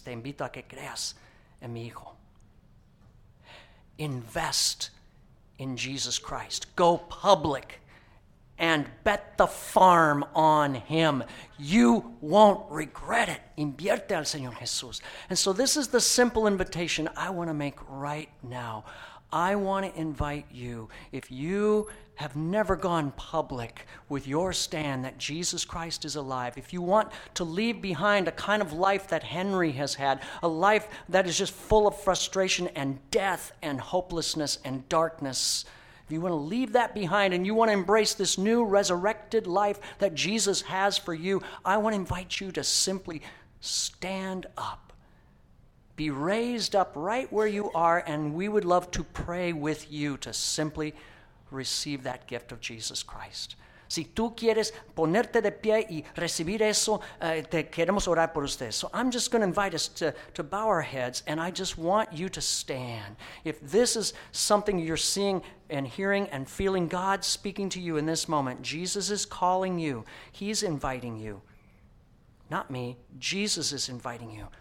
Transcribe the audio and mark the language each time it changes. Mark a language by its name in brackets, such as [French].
[Spanish] Te invito a que creas en mi hijo. [English] Invest in Jesus Christ. Go public and bet the farm on Him. You won't regret it. [Spanish] Invierte al Señor Jesús. [English] And so this is the simple invitation I want to make right now. I want to invite you, if you have never gone public with your stand that Jesus Christ is alive, if you want to leave behind a kind of life that Henry has had, a life that is just full of frustration and death and hopelessness and darkness, if you want to leave that behind and you want to embrace this new resurrected life that Jesus has for you, I want to invite you to simply stand up. Be raised up right where you are, and we would love to pray with you to simply receive that gift of Jesus Christ. [Spanish] Si tú quieres ponerte de pie y recibir eso, te queremos orar por ustedes. [English] So I'm just going to invite us to bow our heads, and I just want you to stand. If this is something you're seeing and hearing and feeling God speaking to you in this moment, Jesus is calling you. He's inviting you. Not me. Jesus is inviting you.